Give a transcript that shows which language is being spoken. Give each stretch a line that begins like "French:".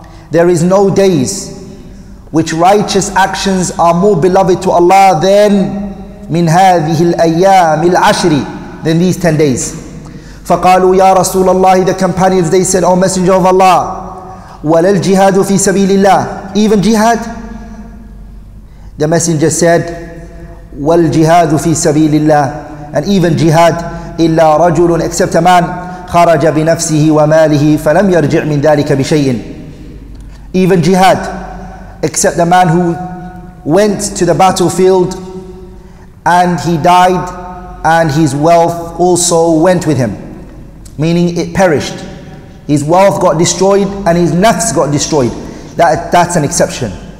English: There is no days which righteous actions are more beloved to Allah than
Arabic: min hadhihi al-ayyam al-ashri,
English: than these 10 days.
Arabic: فَقَالُوا يَا رَسُولَ اللَّهِ,
English: the companions, they said, O Messenger of Allah,
Arabic: وَلَا الْجِهَادُ فِي سَبِيلِ اللَّهِ,
English: even jihad? The Messenger said,
Arabic: وَالْجِهَادُ فِي سَبِيلِ اللَّهِ,
English: and even jihad,
Arabic: إِلَّا رَجُلٌ,
English: except a man,
Arabic: خَرَجَ بِنَفْسِهِ وَمَالِهِ فَلَمْ يَرْجِعْ مِنْ ذَلِكَ بِشَيْءٍ.
English: Even jihad, except the man who went to the battlefield and he died and his wealth also went with him, meaning it perished. His wealth got destroyed and his nafs got destroyed. That's an exception.